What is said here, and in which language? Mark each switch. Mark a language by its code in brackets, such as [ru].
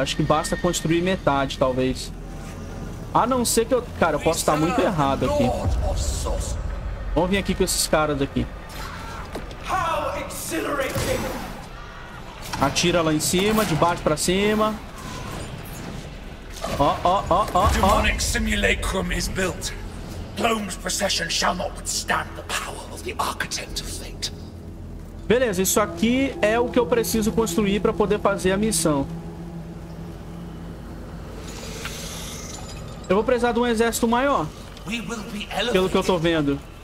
[pt] Acho que basta construir metade, talvez. A não ser que eu... Cara, eu posso estar muito errado aqui. Vamos vir aqui com esses caras aqui. Atira lá em cima, de baixo pra cima. Ó. [en] Demonic simulacrum is built. Plume's procession shall not withstand the power of the architect of fate. [pt] Beleza, isso aqui é o que eu preciso construir para poder fazer a missão. Eu vou precisar de um exército maior. Pelo que eu tô vendo.